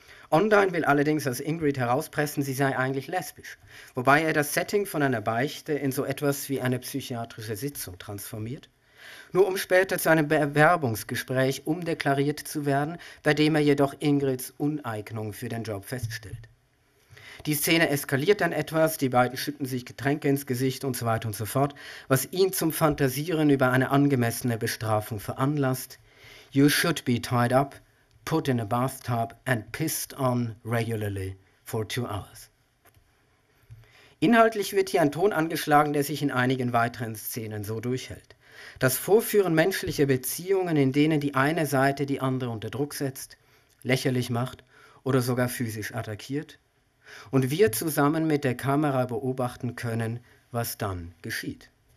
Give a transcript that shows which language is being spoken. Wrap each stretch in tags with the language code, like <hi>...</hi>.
<de>Ondine will allerdings aus Ingrid herauspressen, sie sei eigentlich lesbisch, wobei er das Setting von einer Beichte in so etwas wie eine psychiatrische Sitzung transformiert, nur um später zu einem Bewerbungsgespräch umdeklariert zu werden, bei dem er jedoch Ingrids Uneignung für den Job feststellt. Die Szene eskaliert dann etwas, die beiden schütten sich Getränke ins Gesicht und so weiter und so fort, was ihn zum Fantasieren über eine angemessene Bestrafung veranlasst.</de> <en>You should be tied up, put in a bathtub and pissed on regularly for 2 hours.</en> <de>Inhaltlich wird hier ein Ton angeschlagen, der sich in einigen weiteren Szenen so durchhält. Das Vorführen menschlicher Beziehungen, in denen die eine Seite die andere unter Druck setzt, lächerlich macht oder sogar physisch attackiert, und wir zusammen mit der Kamera beobachten können, was dann geschieht.</de>